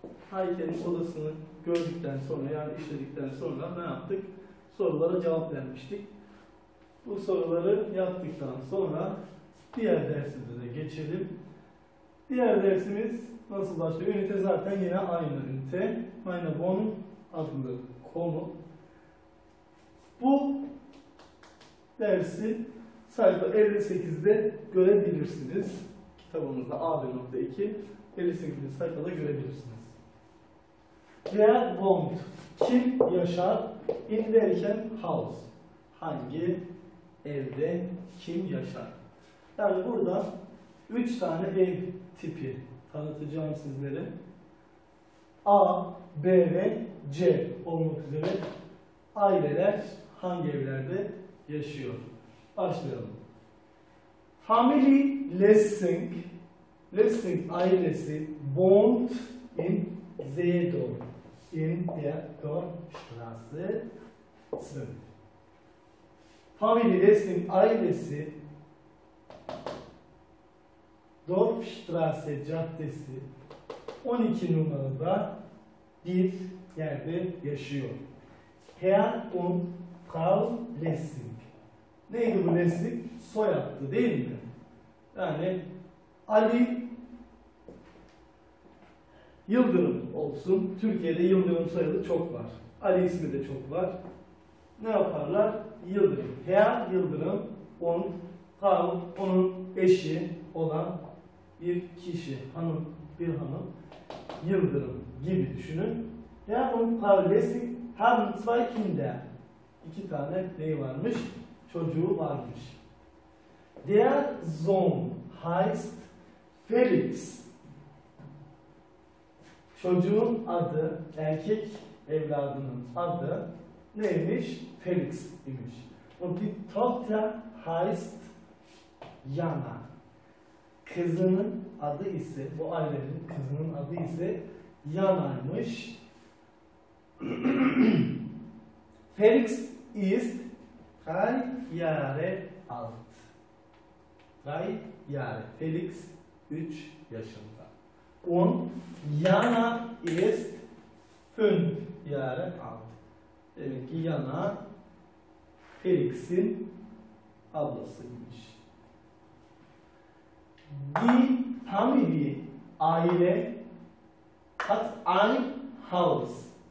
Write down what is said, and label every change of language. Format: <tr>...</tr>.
<tr>Hayke'nin odasını gördükten sonra, yani işledikten sonra ne yaptık? Sorulara cevap vermiştik. Bu soruları yaptıktan sonra diğer dersimize geçelim. Diğer dersimiz nasıl başlıyor? Ünite zaten yine aynı ünite.</tr> <de>Meine Wohnung</de> <tr>adlı konu. Bu dersi sayfa 58'de görebilirsiniz. Kitabımızda AB.2 58. sayfada görebilirsiniz.</tr> <de>Wer wohnt?</de> <tr>Kim yaşar?</tr> <de>In welchem Haus?</de> <tr>Hangi evde kim yaşar? Yani burada 3 tane ev tipi tanıtacağım sizlere. A, B ve C olmak üzere aileler hangi evlerde yaşıyor? Başlayalım.</tr> <de>Family Lessing, Lessing ailesi wohnt in Seedorf, in der Dorfstraße 2.</de> <tr>Family Lessing ailesi Dorfstraße Caddesi 12 numarada bir yerde yaşıyor.</tr> <de>Herr und Frau Lessing.</de> <tr>Neydi bu</tr> <de>Lessing?</de> <tr>Soyadı değil mi? Yani Ali Yıldırım olsun. Türkiye'de Yıldırım soyadı çok var. Ali ismi de çok var. Ne yaparlar? Yıldırım.</tr> <de>Herr Yıldırım und Frau,</de> <tr>onun eşi olan bir kişi, hanım, bir hanım, Yıldırım gibi düşünün.</tr> <de>Ya und Frau Lessing haben zwei Kinder.</de> <tr>İki tane neyi varmış? Çocuğu varmış.</tr> <de>Der Sohn heißt Felix.</de> <tr>Çocuğun adı, erkek evladının adı neymiş? Felix imiş.</tr> <de>Und die Tochter heißt Jana.</de> <tr>Kızının adı ise, bu ailenin kızının adı ise Jana'ymış.</tr> <de>Felix ist 3 Jahre alt. 3 Jahre.</de> <tr>Felix 3 yaşında.</tr> <de>Und Jana ist 5 Jahre alt.</de> <tr>Demek ki Jana Felix'in ablasıymış.</tr> <de>Die Familie, aile, hat ein Haus.</de>